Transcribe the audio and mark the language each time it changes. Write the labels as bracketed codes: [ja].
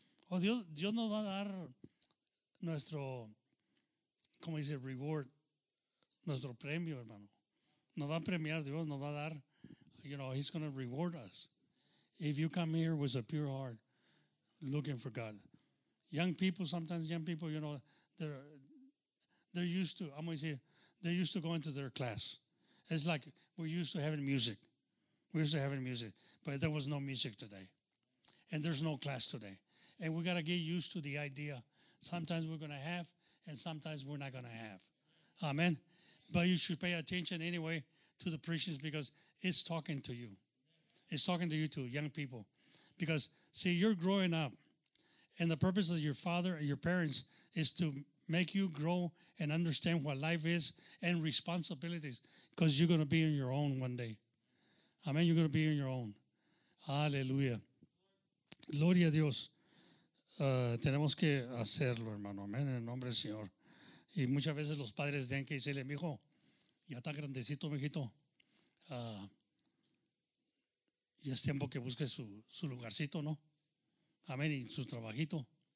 [es] Oh, Dios nos va a dar nuestro, ¿cómo dice? Reward, nuestro premio, hermano. Nos va a premiar Dios, nos va a dar, [en] you know, he's going to reward us. If you come here with a pure heart, looking for God. Young people, sometimes young people, you know, they're used to, I'm going to say, they're used to going to their class. It's like we're used to having music. We're used to having music, but there was no music today. And there's no class today. And we got to get used to the idea. Sometimes we're going to have, and sometimes we're not going to have. Amen. But you should pay attention anyway to the preachers because it's talking to you. It's talking to you too, young people. Because, see, you're growing up. And the purpose of your father and your parents is to make you grow and understand what life is and responsibilities. Because you're going to be on your own one day. Amen. You're going to be on your own. [es] Aleluya. Gloria a Dios. Tenemos que hacerlo, hermano. Amén. En el nombre del Señor. Y muchas veces los padres tienen que decirle, mijo, ya está grandecito, mijito. Ya es tiempo que busque su lugarcito, ¿no? Amén, y su trabajito.